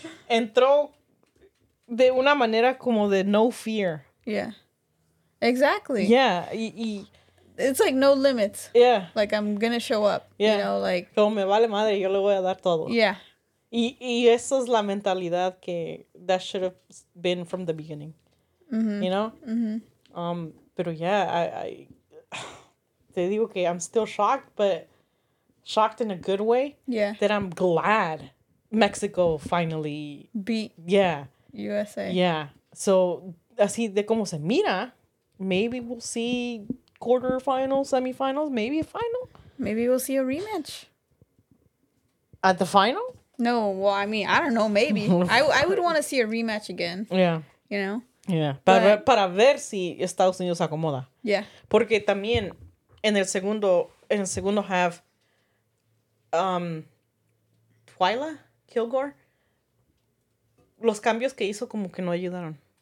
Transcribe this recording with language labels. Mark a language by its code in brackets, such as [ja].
[es] Entró de una manera como de [en] no fear. Yeah. Exactly. Yeah. Y it's like no limits. Yeah. Like I'm gonna show up. Yeah. You know, like. [es] Pero me vale madre, yo le voy a dar todo. [en] Yeah. [es] Y eso es la mentalidad que [en] that should have been from the beginning. Mm-hmm. You know? Mm-hmm. Pero yeah, I [es] te digo que [en] I'm still shocked, but shocked in a good way. Yeah. That I'm glad Mexico finally beat. Yeah. USA. Yeah. So, [es] así de como se mira, [en] maybe we'll see quarterfinals, semifinals, maybe a final. Maybe we'll see a rematch. At the final? No, well, I mean, I don't know, maybe. I would want to see a rematch again. Yeah. You know? [es] Yeah. Para ver si Estados Unidos acomoda. [en] Yeah. [es] Porque también en el segundo half, Twyla Kilgore, los cambios que hizo como que no ayudaron.